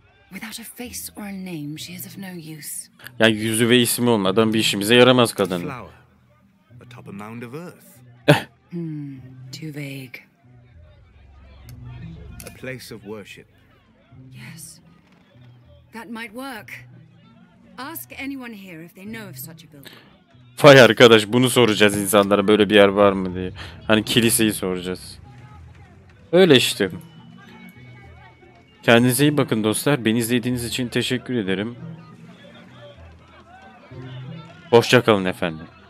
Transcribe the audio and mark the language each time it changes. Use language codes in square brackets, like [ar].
[en] Without a face or a name, she is of no use. [tr] Ya yüzü ve ismi olmadan bir işimize yaramaz kadın. [en] Atop a mound of earth. Too vague. A place of worship. Yes. That might work. Ask anyone here if they know of such a building. [tr] Vay arkadaş, bunu soracağız insanlara, böyle bir yer var mı diye. Hani kiliseyi soracağız. Öyle işte. Kendinize iyi bakın dostlar. Beni izlediğiniz için teşekkür ederim. Hoşça kalın efendim.